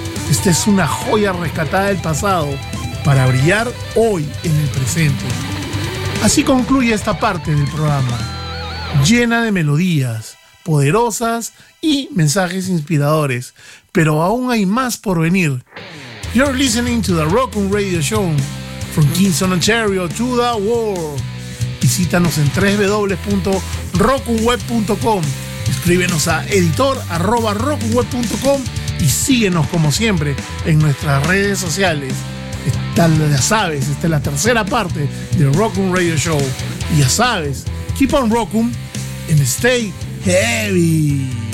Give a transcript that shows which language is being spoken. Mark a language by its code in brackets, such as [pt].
[es] Esta es una joya rescatada del pasado para brillar hoy en el presente. Así concluye esta parte del programa, llena de melodías poderosas y mensajes inspiradores, pero aún hay más por venir. [en] You're listening to the Rockin' Radio Show from Kingston, Ontario to the world. [es] Visítanos en www.rockinweb.com. Escríbenos a editor@rockinweb.com y síguenos como siempre en nuestras redes sociales. Ya sabes, esta es la tercera parte del Rockin' Radio Show. Y ya sabes, [en] keep on rockin' and stay heavy.